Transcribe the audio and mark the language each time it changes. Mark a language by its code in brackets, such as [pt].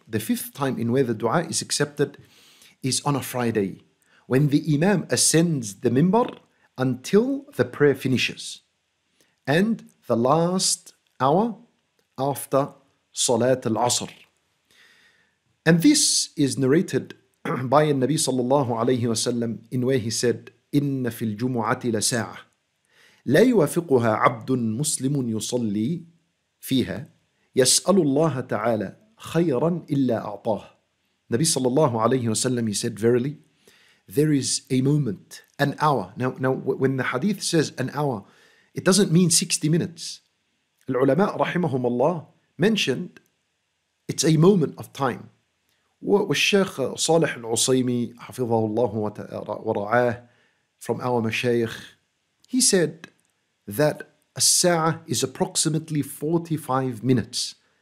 [en] The fifth time in where the dua is accepted is on a Friday, when the imam ascends the minbar until the prayer finishes, and the last hour after Salat al-Asr. And this is narrated by the Nabi sallallahu alayhi wa sallam, in where he said, [ar] إِنَّ فِي الْجُمُعَةِ لَسَاعَةً لَا يُوَفِقُهَا عَبْدٌ مُسْلِمٌ يُصَلِّي فِيهَا يَسْأَلُ اللَّهَ تَعَالَى خَيْرًا إِلَّا أَعْطَاهُ. [en] Nabi sallallahu alayhi wa sallam, he said, verily, there is a moment, an hour. Now, when the hadith says an hour, it doesn't mean 60 minutes. Al-ulama, rahimahum Allah, mentioned it's a moment of time. [ar] والشيخ صالح العصيمي حفظه الله ورعاه, [en] from our mashayikh, he said that a sa'ah is approximately 45 minutes.